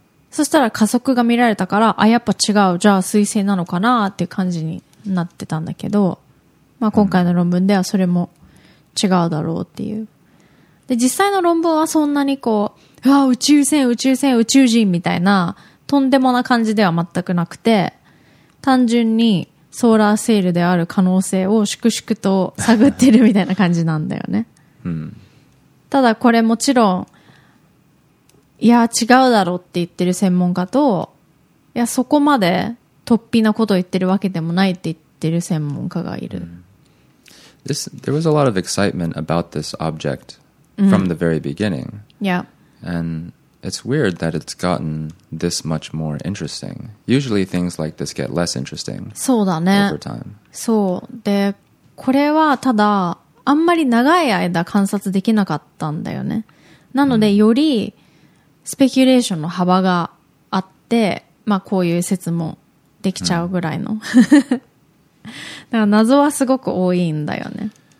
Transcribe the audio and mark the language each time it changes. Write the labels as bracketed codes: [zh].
[ja] そしたら加速が見られたからあやっぱ違うじゃあ彗星なのかなっていう感じになってたんだけど、まあ、今回の論文ではそれも違うだろうっていうで実際の論文はそんなにこう、うわ宇宙船宇宙船宇宙人みたいなとんでもな感じでは全くなくて単純にソーラーセールである可能性を粛々と探ってるみたいな感じなんだよね。ただこれもちろんいや違うだろうって言ってる専門家といやそこまで突飛なことを言ってるわけでもないって言ってる専門家がいる。 [en] There was a lot of excitement about this object from the very beginning. Yeah. And it's weird that it's gotten this much more interesting. Usually things like this get less interesting over time. [ja] そう。で、これはただあんまり長い間観察できなかったんだよね。なのでよりスペキュレーションの幅があって、まあこういう説もできちゃうぐらいの。だから謎はすごく多いんだよね。